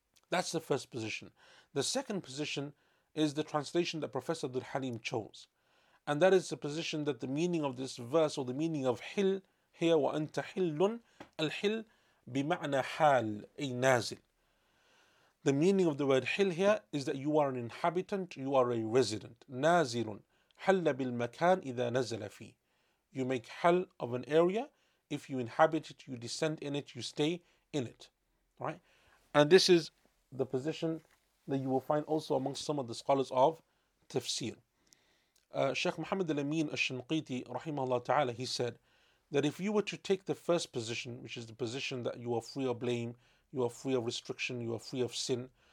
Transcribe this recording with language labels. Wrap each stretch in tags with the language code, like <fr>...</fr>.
<en>That's the first position. The second position is the translation that Professor Abdul Halim chose. And that is the position that the meaning of this verse, or the meaning of hil here,</en> <ar>وَأَنْتَ حِلٌّ الْحِلْ بمعنى حال أي نازل.</ar> <en>The meaning of the word حل here is that you are an inhabitant, you are a resident.</en> <ar>نازل حل بالمكان إذا نزل فيه.</ar> <en>You make حل of an area, if you inhabit it, you descend in it, you stay in it. Right? And this is the position that you will find also amongst some of the scholars of tafsir. Sheikh Muhammad Al-Amin Al-Shanqiti رحمه الله تعالى, he said that if you were to take the first position, which is the position that you are free of blame, you are free of restriction, you are free of sin,</en>